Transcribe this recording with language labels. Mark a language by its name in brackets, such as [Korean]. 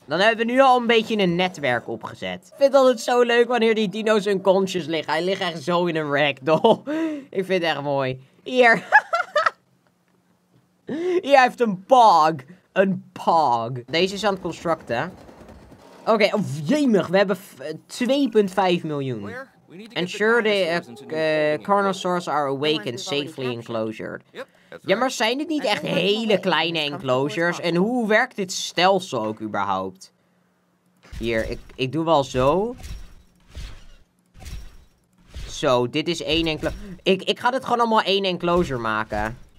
[Dutch] Dan hebben we nu al een beetje een netwerk opgezet. Ik vind altijd zo leuk wanneer die dino's hun conscious liggen. Hij ligt echt zo in een ragdoll. Ik vind het echt mooi. Hier. Hier heeft een pog. Een pog. Deze is aan het constructen. Oké, okay, oh, jemig. We hebben 2,5 miljoen. [English] Ensure the carnosaurs are awakened safely enclosured. Yep. [Dutch] Ja, maar zijn dit niet echt hele kleine enclosures? En hoe werkt dit stelsel ook überhaupt? Hier, ik doe wel zo. Zo, dit is één enclosure. Ik ga dit gewoon allemaal één enclosure maken.